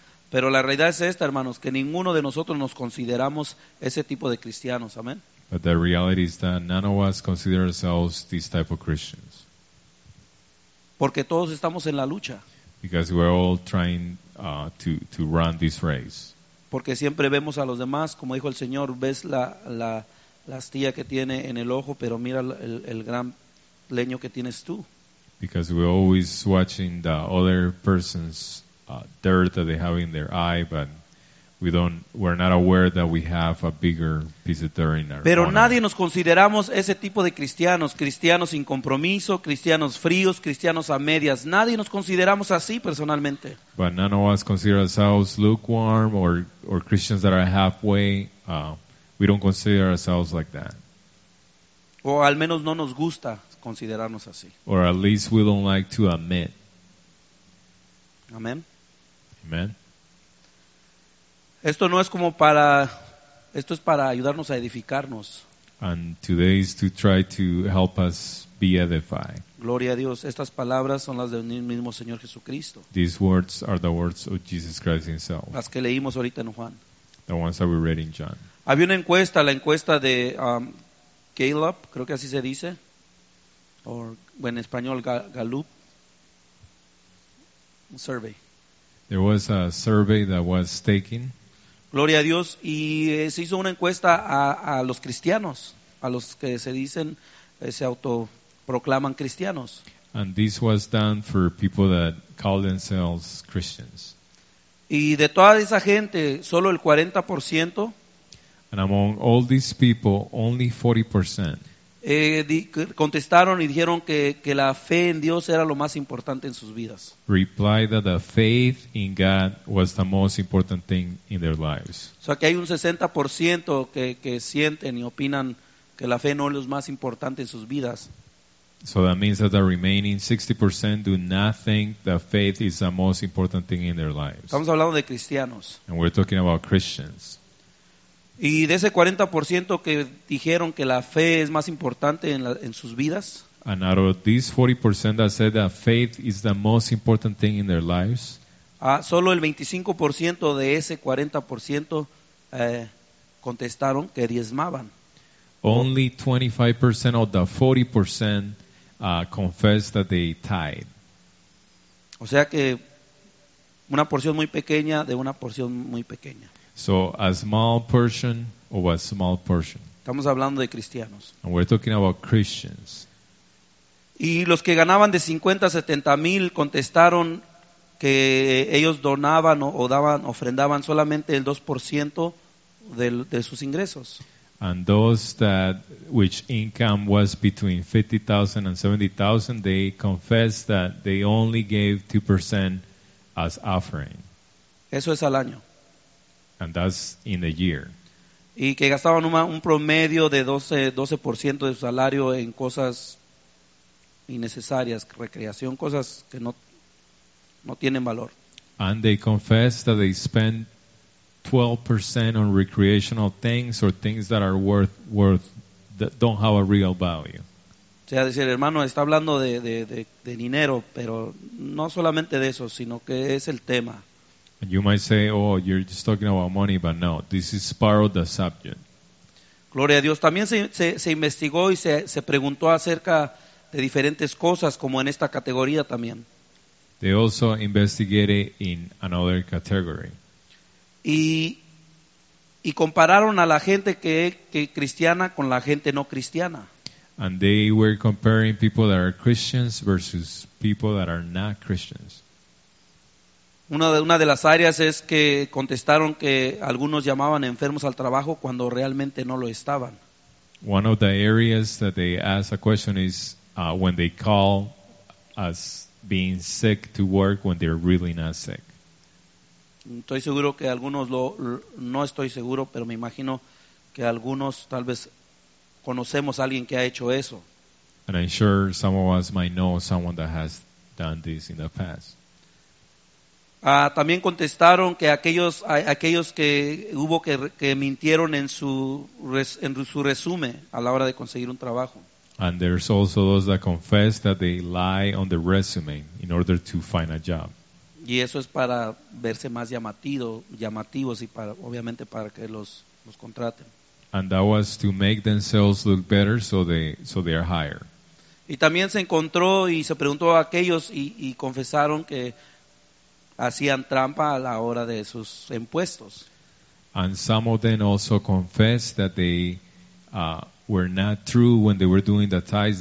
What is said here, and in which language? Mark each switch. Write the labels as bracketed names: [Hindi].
[Spanish] Pero la realidad es esta, hermanos, que ninguno de nosotros nos consideramos ese tipo de cristianos. Amén. [English] But the reality is that none of us consider ourselves this type of Christians. [Spanish] Porque todos estamos en la lucha. [English] Because we're all trying to run this race. [Spanish] Porque siempre vemos a los demás, como dijo el Señor, ves la astilla que tiene en el ojo, pero mira el gran leño que tienes tú. [English] Because we're always watching the other person's dirt that they have in their eye, but we're not aware that we have a bigger piece of dirt in our [Spanish] Pero honor. Nadie nos consideramos ese tipo de cristianos, cristianos sin compromiso, cristianos fríos, cristianos a medias. Nadie nos consideramos así personalmente. [English] But none of us consider ourselves lukewarm or Christians that are halfway. We don't consider ourselves like that. [Spanish] O al menos no nos gusta considerarnos así. [English] Or at least we don't like to admit. [Spanish] Amén. [English] Amen. [Spanish] Esto no es como para, esto es para ayudarnos a edificarnos. [English] And today is to try to help us be edified. [Spanish] Gloria a Dios. Estas palabras son las del mismo Señor Jesucristo. [English] These words are the words of Jesus Christ himself. [Spanish] Las que leímos ahorita en Juan. [English] The ones that we read in John. [Spanish] Había una encuesta, la encuesta de Gallup, creo que así se dice. O en español, Gallup. Un survey. [English] There was a survey that was taken. [Spanish] Gloria a Dios. Y se hizo una encuesta a los cristianos, a los que se dicen, se autoproclaman cristianos. [English] And this was done for people that call themselves Christians. [Spanish] Y de toda esa gente, solo el 40%. [English] And among all these people, only 40%. [Spanish] Contestaron y dijeron que la fe en Dios era lo más importante en sus vidas. [English] Replied that the faith in God was the most important thing in their lives. [Spanish] O sea, que hay un 60% que sienten y opinan que la fe no es lo más importante en sus vidas. [English] So that means that the remaining 60% do not think that faith is the most important thing in their lives. [Spanish] Estamos hablando de cristianos. [English] And we're talking about Christians. [Spanish] Y de ese 40% que dijeron que la fe es más importante en sus vidas. [English] And out of these 40% that said that faith is the most important thing in their lives, [Spanish] Solo el 25% de ese 40% contestaron que diezmaban. [English] Only 25% of the 40% confessed that they tithe. [Spanish] O sea que una porción muy pequeña de una porción muy pequeña. [English] So a small portion of a small portion. [Spanish] Estamos hablando de cristianos. [English] And we're talking about Christians. [Spanish] Y los que ganaban de 50 a 70 mil contestaron que ellos donaban o daban, ofrendaban solamente el 2% de sus ingresos. [English] And those that which income was between 50,000 and 70,000, they confessed that they only gave 2% as offering. [Spanish] Eso es al año. [English] And that's in the year. [Spanish] Y que gastaban un promedio de 12% de su salario en cosas innecesarias, recreación, cosas que no tienen valor. [English] And they confessed that they spent 12% on recreational things or things that are worth that don't have a real value. [Spanish] O sea, dice el hermano, está hablando de dinero, pero no solamente de eso, sino que es el tema. [English] And you might say, oh, you're just talking about money, but no, this is part of the subject. [Spanish] Gloria a Dios. También se investigó y se preguntó acerca de diferentes cosas, como en esta categoría también. [English] They also investigated in another category. [Spanish] Y compararon a la gente que cristiana con la gente no cristiana. [English] And they were comparing people that are Christians versus people that are not Christians. [Spanish] Una de las áreas es que contestaron que algunos llamaban enfermos al trabajo cuando realmente no lo estaban. [English] One of the areas that they asked a question is when they call as being sick to work when they're really not sick. [Spanish] Estoy seguro que algunos no estoy seguro, pero me imagino que algunos tal vez conocemos a alguien que ha hecho eso. [English] And I'm sure some of us might know someone that has done this in the past. [Spanish] También contestaron que aquellos que hubo que mintieron en su resumen a la hora de conseguir un trabajo. [English] And there's also those that confess that they lie on the resume in order to find a job. [Spanish] Y eso es para verse más llamativos y para obviamente para que los contraten. [English] And that was to make themselves look better so they are hired. [Spanish] Y también se encontró y se preguntó a aquellos y confesaron que hacían trampa a la hora de sus impuestos. [English] And some of them also confessed that they were not true when they were doing the tithes.